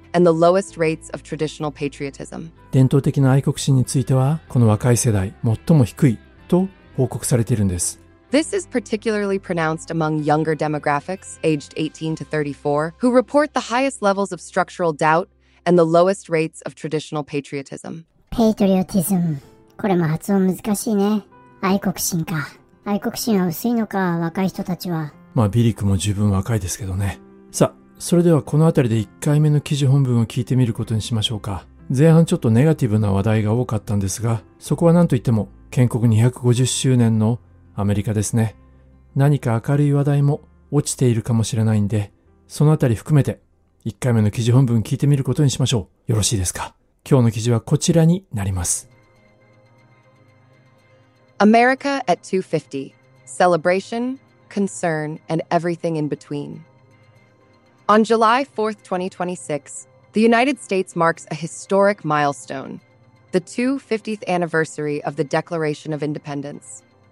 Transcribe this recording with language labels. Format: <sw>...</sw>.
<en>And the lowest rates of traditional patriotism.</en> <ja>伝統的な愛国心については、この若い世代、最も低いと報告されているんです。</ja> <en>This is particularly pronounced among younger demographics, aged 18 to 34, who report the highest levels of structural doubt and the lowest rates of traditional patriotism. Patriotism。</en> <ja>これも発音難しいね。愛国心か。愛国心は薄いのか、若い人たちは。まあ、ビリクも十分若いですけどね。さあ、それではこのあたりで1回目の記事本文を聞いてみることにしましょうか。前半ちょっとネガティブな話題が多かったんですが、そこは何といっても建国250周年のアメリカですね。何か明るい話題も落ちているかもしれないんで、そのあたり含めて1回目の記事本文聞いてみることにしましょう。よろしいですか。今日の記事はこちらになります。</ja> <en>America at 250. Celebration, concern, and everything in between. On July 4th, 2026, the United States marks a historic milestone, the 250th anniversary of the Declaration of Independence.</en>